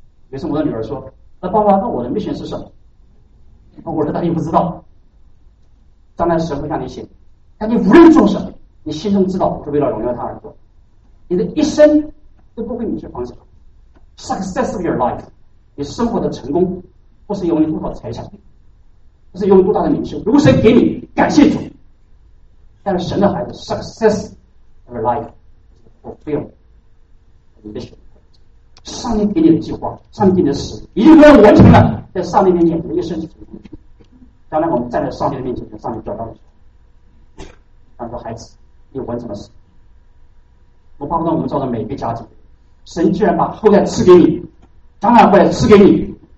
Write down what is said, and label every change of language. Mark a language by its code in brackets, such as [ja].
[zh] 比如说我的女儿说，那爸爸，那我的 mission 是什么？我说她也不知道，将来神会让你写，但你无论做什么，你心中知道是为了荣耀他而做，你的一生都不会明确方向。 [en] Success of your life， [zh] 你生活的成功不是由于多少财产，不是由于多大的名声，如果神给你，感谢主。但是神的孩子 [en] successOur life is fulfilled in mission. [zh] 上帝给你的计划，上帝给你的使命，一定都要完成了。在上帝面前，我们一生是成功的。将来我们站在上帝的面前，跟上帝交代的时候，他说：“孩子，你完成了使命。” 我巴不得我们造的每一个家庭，神既然把后代赐给你，将来会赐给你。